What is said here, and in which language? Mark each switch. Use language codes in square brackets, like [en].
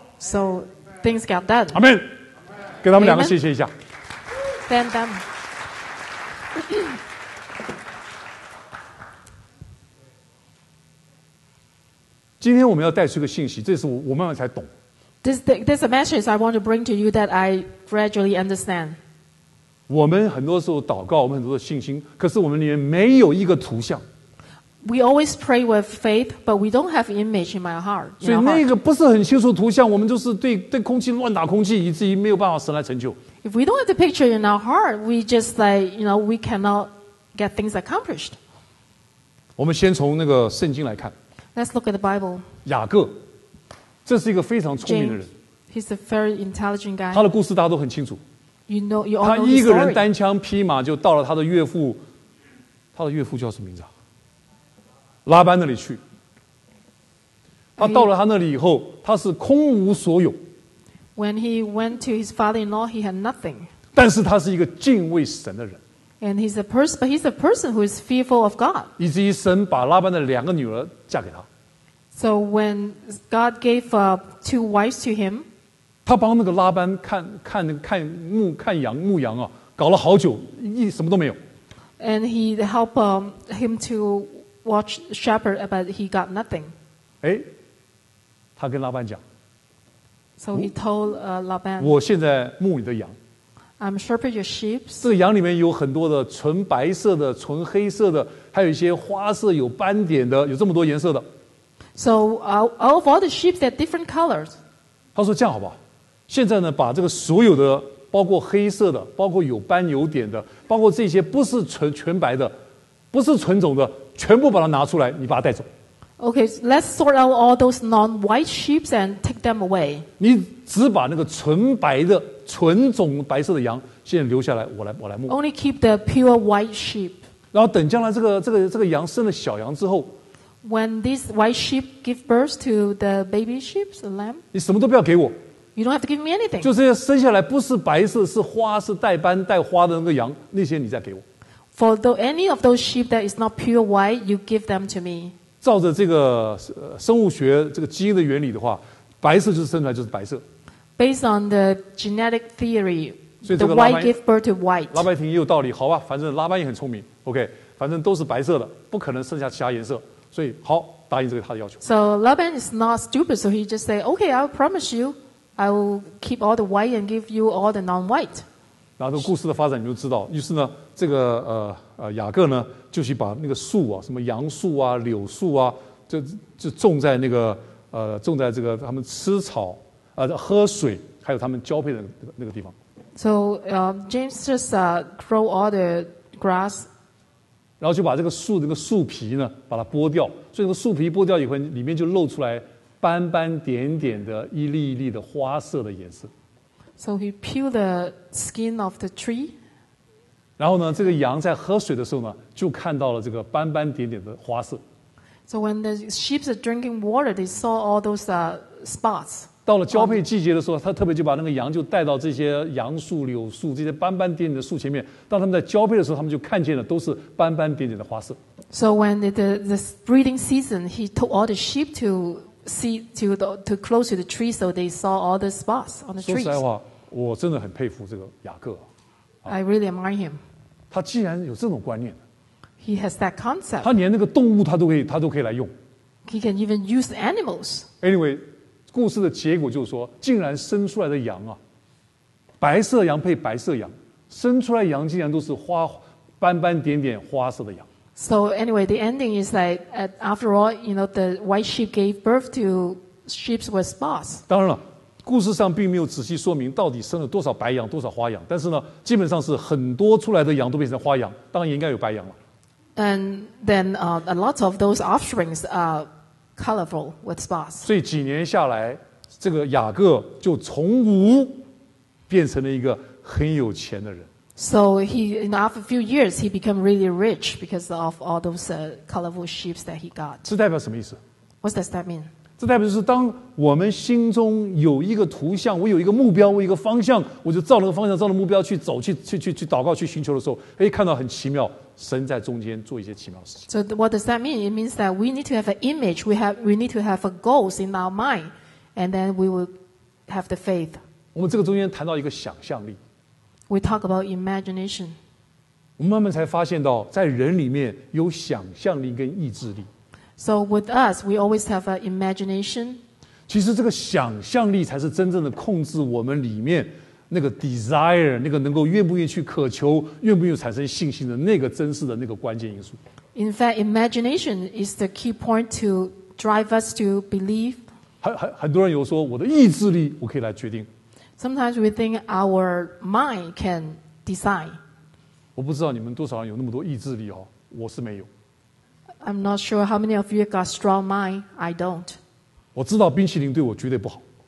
[en] So things got done. [zh] 阿门。给他们两个谢谢一下。 [en] Thank them. [zh] 今天我们要带出一个信息，这是我慢慢才懂。 [en] This message I want to bring to you that I gradually understand. [zh] 我们很多时候祷告，我们很多的信心，可是我们里面没有一个图像。 [en] We always pray with faith, but we don't have image in my heart. [zh] 所以那个不是很清楚图像，我们就是对空气乱打空气，以至于没有办法神来成就。 [en] If we don't have the picture in our heart, we just like you know we cannot get things accomplished. [zh] 我们先从那个圣经来看。 [en] Let's look at the Bible. [zh] 雅各，这是一个非常聪明的人。 [en] James, he's a very intelligent guy. [zh] 他的故事大家都很清楚。 [en] You know, you [zh] 他一个人单枪匹马就到了他的岳父，他的岳父叫什么名字啊？拉班那里去。他到了他那里以后，他是空无所有。 [en] When he went to his father-in-law, he had nothing. [zh] 但是他是一个敬畏神的人。 [en] And he's a person, but he's a person who is fearful of God. [zh] 以至于神把拉班的两个女儿嫁给他。 [en] So when God gave two wives to him. [zh] 他帮那个拉班看羊牧羊啊，搞了好久，什么都没有。 [en] And he helped him to watch shepherd, but he got nothing. [zh] 哎，他跟拉班讲。 [en] So he told Laban. [zh] 我现在牧你的羊。 [en] I'm shepherd your sheep. [zh] 这个羊里面有很多的纯白色的、纯黑色的，还有一些花色有斑点的，有这么多颜色的。 [en] So all of all the sheep have different colors. [zh] 他说这样好不好？现在呢，把这个所有的，包括黑色的，包括有斑有点的，包括这些不是全白的，不是纯种的，全部把它拿出来，你把它带走。 [en] Okay, let's sort out all those non-white sheep and take them away. [zh] 你只把那个纯白的、纯种白色的羊先留下来，我来牧。 [en] Only keep the pure white sheep. [zh] 然后等将来这个羊生了小羊之后 [en] ，When these white sheep give birth to the baby sheep, the lamb. [zh] 你什么都不要给我。 [en] You don't have to give me anything. [zh] 就是生下来不是白色、是花、是带斑、带花的那个羊，那些你再给我。 [en] For though any of those sheep that is not pure white, you give them to me. [zh] 照着这个生物学这个基因的原理的话，白色就是生出来就是白色。 [en] Based on the genetic theory, the white give birth to white. [zh] 拉班听也有道理，好吧，反正拉班也很聪明。OK, 反正都是白色的，不可能剩下其他颜色，所以好答应这个他的要求。 [en] So Laban is not stupid, so he just say, "Okay, I promise you, I will keep all the white and give you all the non-white." [zh] 然后这个故事的发展你就知道，于是呢，这个雅各呢。就去把那个树啊，什么杨树啊、柳树啊，就种在那个种在这个他们吃草喝水，还有他们交配的那个地方。 [en] So James just grow all the grass. [zh] 然后就把这个树那个树皮呢，把它剥掉。所以那个树皮剥掉以后，里面就露出来斑斑点点的一粒一粒的花色的颜色。 [en] So he peeled the skin of the tree. [zh] 然后呢，这个羊在喝水的时候呢，就看到了这个斑斑点点的花色。 [en] So when the sheep are drinking water, they saw all those spots. [zh] 到了交配季节的时候，他特别就把那个羊就带到这些杨树、柳树这些斑斑点点的树前面。当他们在交配的时候，他们就看见了都是斑斑点点的花色。 [en] So when the breeding season, he took all the sheep to see to close to the tree, so they saw all the spots on the trees. [zh] 说实话，我真的很佩服这个雅各。 [en] I really admire him. [zh] 他既然有这种观念。 [en] He has that concept. [zh] 他连那个动物他都可以来用。 [en] He can even use animals. Anyway, [zh] 故事的结果就是说，竟然生出来的羊啊，白色羊配白色羊，生出来羊竟然都是花斑斑点点花色的羊。 [en] So anyway, the ending is that after all, you know, the white sheep gave birth to sheep with spots. [zh] 当然了。故事上并没有仔细说明到底生了多少白羊多少花羊，但是呢，基本上是很多出来的羊都变成花羊，当然也应该有白羊了。 [en] And then a lot of those offsprings are colorful with spots. [zh] 所以几年下来，这个雅各就从无变成了一个很有钱的人。 [en] So he in after a few years he became really rich because of all those colorful sheep that he got. [zh] 这代表什么意思？ [en] What does that mean? [zh] 这代表就是当我们心中有一个图像，我有一个目标，我有一个方向，我就照那个方向，照那个目标去走，去祷告，去寻求的时候，哎，看到很奇妙，神在中间做一些奇妙的事情。 [en] So what does that mean? It means that we need to have an image, we need to have a goals in our mind, and then we will have the faith. [zh] 我们这个中间谈到一个想象力。 [en] We talk about imagination. [zh] 我们慢慢才发现到，在人里面有想象力跟意志力。 [en] So with us, we always have an imagination. [zh] 其实这个想象力才是真正的控制我们里面那个 desire, 那个能够愿不愿意去渴求，愿不愿意产生信心的那个真实的那个关键因素。 [en] In fact, imagination is the key point to drive us to believe. [zh] 很多人有说我的意志力我可以来决定。 [en] Sometimes we think our mind can decide. [zh] 我不知道你们多少人有那么多意志力哦，我是没有。 [en] I'm not sure how many of you got strong mind. I don't. [zh] 我知道冰淇淋对我绝对不好。